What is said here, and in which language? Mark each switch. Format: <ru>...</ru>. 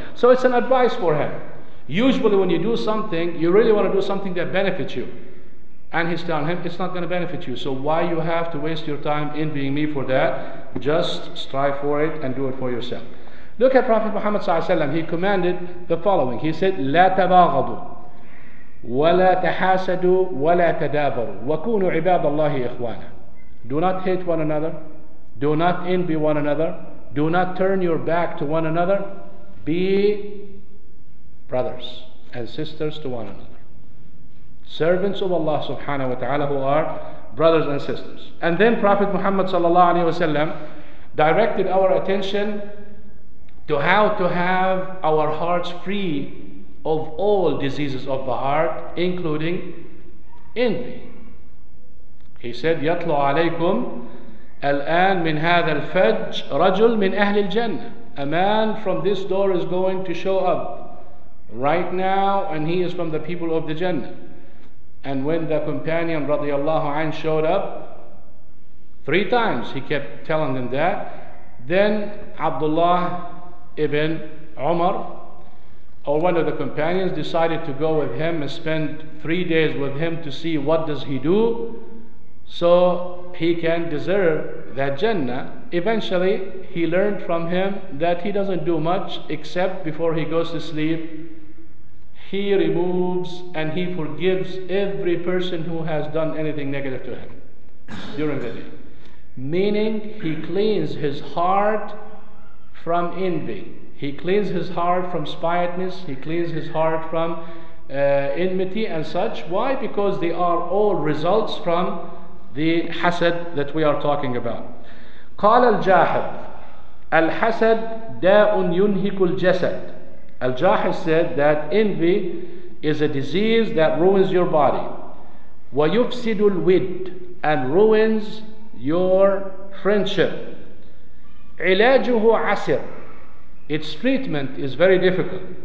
<en>So it's an advice for him. Usually when you do something, you really want to do something that benefits you. And he's telling him, it's not going to benefit you. So why you have to waste your time envying me for that? Just strive for it and do it for yourself. Look at Prophet Muhammad sallallahu alaihi wasallam. He commanded the following.</en> <ar>He said, لا تباغضوا ولا تحاسدوا ولا تدابروا وكونوا عباد الله إخوانا.</ar> <en>Do not hate one another. Do not envy one another. Do not turn your back to one another. Be brothers and sisters to one another. Servants of Allah subhanahu wa ta'ala, who are brothers and sisters. And then Prophet Muhammad sallallahu alayhi wa sallam directed our attention to how to have our hearts free of all diseases of the heart, including envy. He said, يطلع عليكم الآن من هذا الفج رجل من أهل الجنة. A man from this door is going to show up right now, and he is from the people of the Jannah. And when the companion radiallahu anh showed up, three times he kept telling them that. Then Abdullah ibn Umar, or one of the companions, decided to go with him and spend 3 days with him to see what does he do so he can deserve that Jannah. Eventually he learned from him that he doesn't do much, except before he goes to sleep, he removes and he forgives every person who has done anything negative to him during the day. Meaning, he cleans his heart from envy. He cleans his heart from spiteness. He cleans his heart from enmity and such. Why? Because they are all results from the hasad that we are talking about.</en> <ar>قال الجاحظ الحسد داء ينهك الجسد.</ar> <en>Al-Jahiz said that envy is a disease that ruins your body.</en> <ar>وَيُفْسِدُ الْوِدْ,</ar> <en>and ruins your friendship.</en> <ar>عِلَاجُهُ عَسِرْ,</ar> <en>its treatment is very difficult.</en>